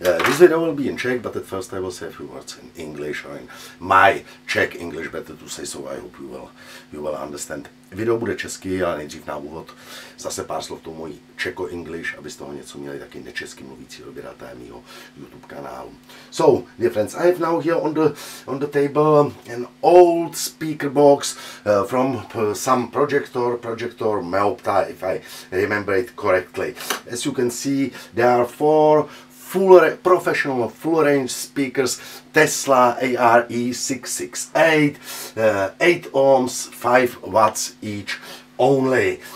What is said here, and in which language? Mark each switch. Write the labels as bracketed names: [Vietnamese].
[English] This video will be in Czech, but at first I will say a few words in English or in my Czech English, better to say so. I hope you will understand. [Czech] Video bude český, ale nejdřív na úvod zase pár slov tomu mojí Czecho English, aby z toho něco měli taky nečesky mluvící odběratá mýho YouTube kanálu. [English] So, dear friends, I have now here on the table an old speaker box from some projector Meopta, if I remember it correctly. As you can see, there are four professional full range speakers, Tesla ARE668, 8 ohms, 5 watts each only.